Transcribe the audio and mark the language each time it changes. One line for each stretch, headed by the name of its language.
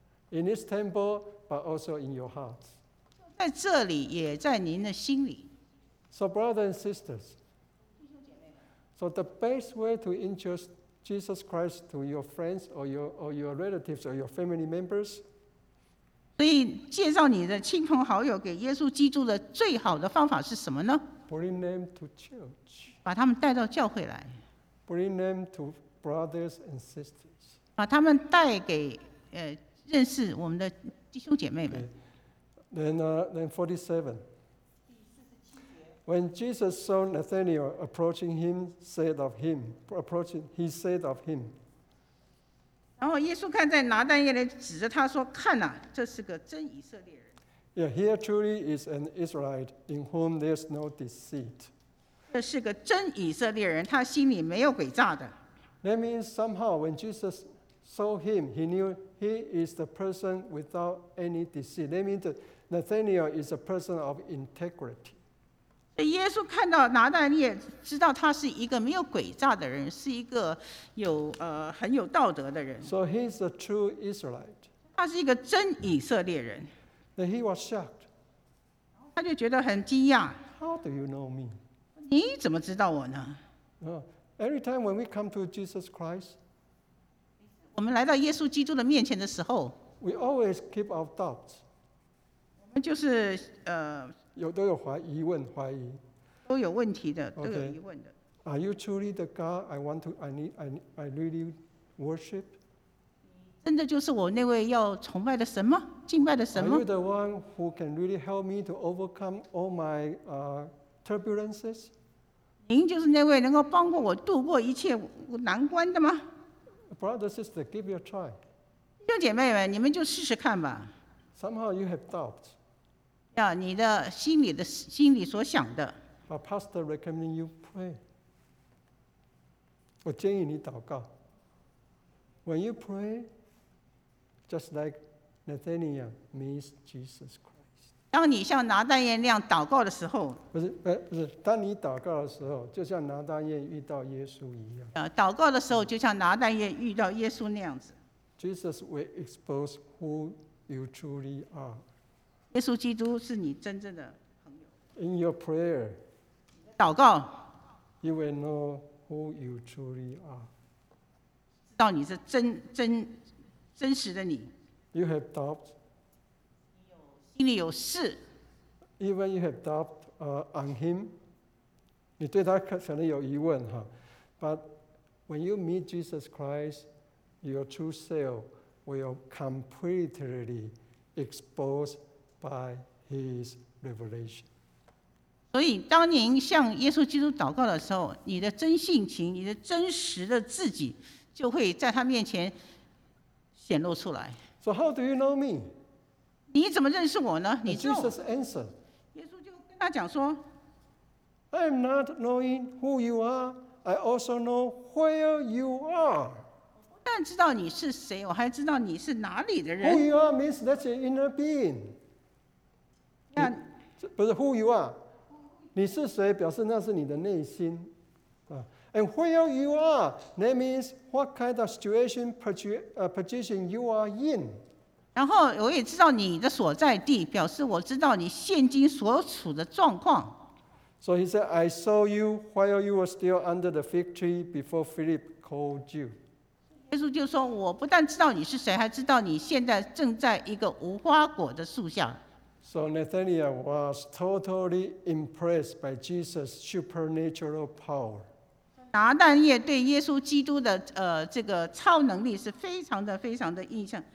English: In this temple, but also in your heart.
Chinese: 在这里，也在您的心里。
English: So, brothers and sisters, so the best way to introduce Jesus Christ to your friends or your relatives or your family members.
Chinese: 所以介绍你的亲朋好友给耶稣基督的最好的方法是什么呢？
English: Bring them to church.
Chinese: 把他们带到教会来。
English: Bring them to brothers and sisters.
Chinese: 把他们带给认识我们的弟兄姐妹们。
English: Then 47. When Jesus saw Nathanael approaching him, he said of him.
Chinese: 然后耶稣看在拿单耶勒指着他说：“看哪、啊，这是个真以色列人。”
English: Yeah, here truly is an Israelite in whom there's no deceit.
Chinese: 这是个真以色列人，他心里没有诡诈的。
English: That means somehow when Jesus saw him, he knew he is the person without any deceit. That means that Nathanael is a person of integrity.
Chinese: 耶稣看到拿单耶勒，知道他是一个没有诡诈的人，是一个有很有道德的人。
English: So he is a true Israelite.
Chinese: 他是一个真以色列人。
English: Then he was shocked.
Chinese: 他就觉得很惊讶。
English: How do you know me?
Chinese: 你怎么知道我呢？
English: Every time when we come to Jesus Christ,
Chinese: 我们来到耶稣基督的面前的时候，
English: we always keep our doubts.
Chinese: 就是都有疑问，怀疑，都有问题的，
English: okay.
Chinese: 都有疑问的。
English: Are you truly the God I want to, I need, I really worship?
Chinese: 真的就是我那位要崇拜的神吗？敬拜的神吗？
English: Are you the one who can really help me to overcome all my turbulences?
Chinese: 您就是那位能够帮助我度过一切难关的吗？
English: Brother, sister, give you a try.
Chinese: 弟兄姐妹们，你们就试试看吧。
English: Somehow you have doubts.
Chinese: Yeah, 你的心里所想的。
English: But pastor recommending you pray.
Chinese: 我建议你祷告。
English: When you pray, just like Nathanael meets Jesus Christ.
Chinese: 当你像拿单耶那样祷告的时候。不是，当你祷告的时候，就像拿单耶遇到耶稣一样。祷告的时候，就像拿单耶遇到耶稣那样子。
English: Jesus will expose who you truly are.
Chinese: 耶稣基督是你真正的朋友。
English: In your prayer,
Chinese: 祷告，
English: you will know who you truly are.
Chinese: 知道你是真实的你。
English: You have doubts.
Chinese: 心里有事。
English: Even you have doubt on him,
Chinese: 你对他可能有疑问哈。
English: But when you meet Jesus Christ, your true self will completely exposed by his revelation.
Chinese: 所以当您向耶稣基督祷告的时候，你的真性情，你的真实的自己就会在他面前显露出来。
English: So how do you know me?
Chinese: 你怎么认识我呢？你知道我。
English: Jesus answered.
Chinese: 耶稣就跟他讲说，
English: I am not knowing who you are, I also know where you are.
Chinese: 我知道你是谁，我还知道你是哪里的人。
English: Who you are means that's your inner being.
Chinese: 不是
English: who you are，
Chinese: 你是谁表示那是你的内心。
English: And where you are, that means what kind of situation, position you are in.
Chinese: 然后我也知道你的所在地，表示我知道你现今所处的状况。
English: So he said, I saw you while you were still under the fig tree before Philip called you.
Chinese: 耶稣就说：“我不但知道你是谁，还知道你现在正在一个无花果的树下。”
English: So Nathanael was totally impressed by Jesus' supernatural power.
Chinese: 拿单耶对耶稣基督的这个超能力是非常的非常的印象。